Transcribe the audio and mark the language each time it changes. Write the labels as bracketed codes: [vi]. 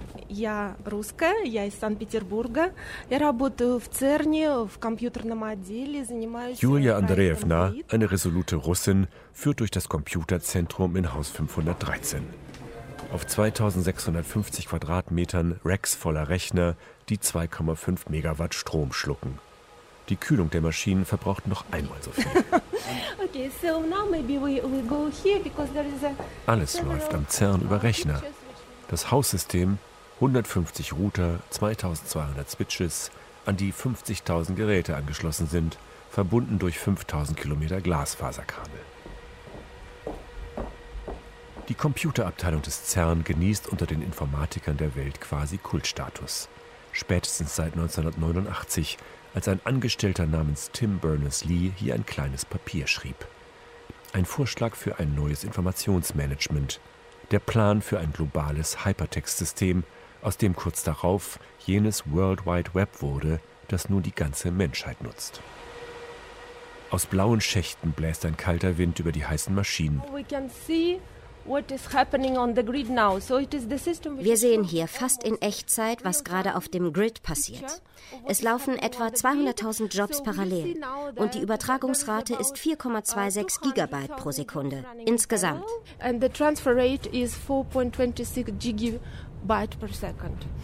[ru] Я русская, я из Санкт-Петербурга. Я работаю в ЦЕРНе в компьютерном отделе, занимаюсь [de] Юлия Андреевна, eine resolute Russin, führt durch das Computerzentrum in Haus 513. Auf 2650 Quadratmetern Racks voller Rechner, die 2,5 Megawatt Strom schlucken. Die Kühlung der Maschinen verbraucht noch einmal so viel. [en] Okay, so now maybe we go here because there is a [de] alles läuft am CERN über Rechner. Das Haussystem, 150 Router, 2200 Switches, an die 50.000 Geräte angeschlossen sind, verbunden durch 5.000 Kilometer Glasfaserkabel. Die Computerabteilung des CERN genießt unter den Informatikern der Welt quasi Kultstatus. Spätestens seit 1989, als ein Angestellter namens Tim Berners-Lee hier ein kleines Papier schrieb. Ein Vorschlag für ein neues Informationsmanagement. Der Plan für ein globales Hypertext-System, aus dem kurz darauf jenes World Wide Web wurde, das nun die ganze Menschheit nutzt. Aus blauen Schächten bläst ein kalter Wind über die heißen Maschinen. [en] We can see what is happening on the grid now. So it is the system. [de] Wir sehen hier fast in Echtzeit, was gerade auf dem Grid passiert. Es laufen etwa 200.000 Jobs parallel und die Übertragungsrate ist 4,26 Gigabyte pro Sekunde insgesamt. [en] And the transfer rate is 4.26 gigabyte per second.